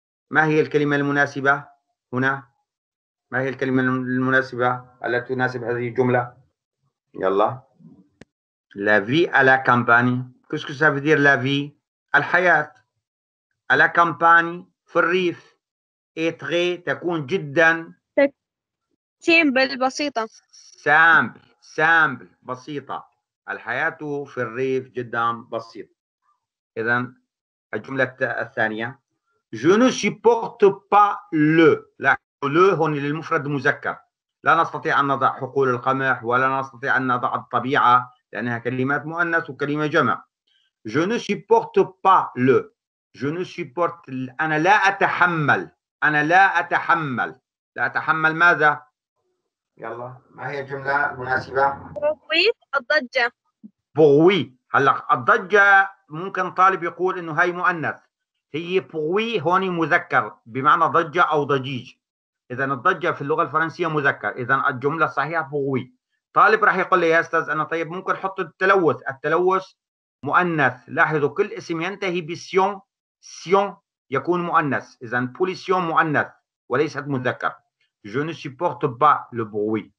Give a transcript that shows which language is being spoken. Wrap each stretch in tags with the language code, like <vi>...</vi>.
<ar>ما هي الكلمة المناسبة هنا؟ ما هي الكلمة المناسبة التي تناسب هذه الجملة؟ يلا.</ar> <fr>La vie à la campagne. Qu'est-ce que ça veut dire la vie؟ الحياة. À la campagne،</fr> <ar>في الريف. Être، تكون جدا.</ar> <fr>Simple، بسيطة. Simple، simple، بسيطة.</fr> <ar>الحياة في الريف جدا بسيطة. إذن الجملة الثانية.</ar> <fr>Je ne supporte pas le.</fr> <ar>لا، le هون للمفرد مذكر. لا نستطيع أن نضع حقول القمح ولا نستطيع أن نضع الطبيعة لأنها كلمات مؤنث وكلمة جمع.</ar> <fr>Je ne supporte pas le. Je ne supporte.</fr> <ar>أنا لا أتحمل. أنا لا أتحمل. لا أتحمل ماذا؟ يلا، ما هي الجملة المناسبة؟ بغوي، الضجة. بغوي. هلا الضجة ممكن طالب يقول إنه هاي مؤنث. هي بوي هون مذكر بمعنى ضجة أو ضجيج. إذا الضجة في اللغة الفرنسية مذكر، إذا الجملة صحيحة بوي. طالب راح يقول لي يا أستاذ أنا طيب ممكن حط التلوث، التلوث مؤنث. لاحظوا كل اسم ينتهي بسيون، سيون يكون مؤنث. إذا بوليسيون مؤنث وليست مذكر.</ar> <fr>Je ne supporte pas le bruit.</fr>